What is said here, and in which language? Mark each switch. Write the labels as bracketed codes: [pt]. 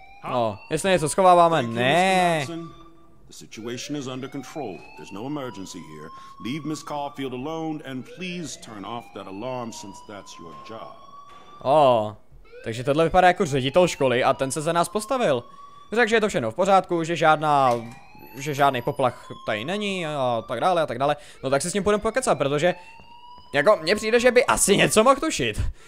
[cs] No, jestli něco schováváme, ne. [en] The situation is under control. There's no emergency here. Leave Miss Caulfield alone and please turn off that alarm since that's your job. [cs] Oh, takže tohle vypadá jako ředitel školy a ten se za nás postavil. Řekl, že je to všechno v pořádku, že žádný poplach tady není a tak dále. No tak se s ním půjdeme pokecat, protože jako mně přijde, že by asi něco mohl tušit.